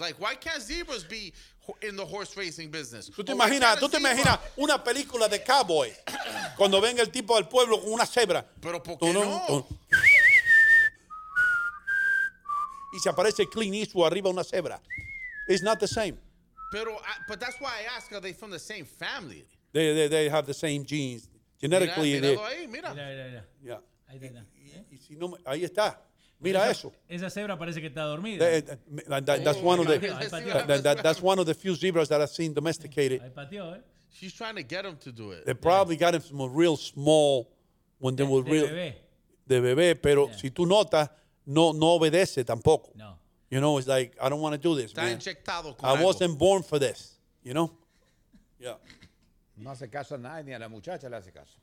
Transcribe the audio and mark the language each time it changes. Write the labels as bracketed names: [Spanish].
[English] Like, why can't zebras be in the horse racing business? [Spanish] ¿Tú te imaginas, tú te imaginas una película de cowboy cuando venga el tipo del pueblo con una cebra? Pero ¿por qué no? Y se aparece Clint Eastwood arriba una cebra. [English] It's not the same. [Spanish] Pero, [English] but that's why I ask, are they from the same family? They have the same genes. Genetically, [Spanish] mira, [English] they... [Spanish] Ahí, mira. [English] Yeah. [Spanish] Ahí está. Y si no, ahí está. Mira eso. Esa cebra parece que está dormida. [English] That's one of the few zebras that I've seen domesticated. She's trying to get them to do it. They probably got them from a real small when they were real. [Spanish] De bebé, pero si tú notas, no obedece tampoco. No. [English] You know, it's like, I don't want to do this, [Spanish] está [English] man. [Spanish] Inyectado con [English] I [Spanish] algo. [English] Wasn't born for this, you know? Yeah. [Spanish] No hace caso a nadie, ni a la muchacha le hace caso.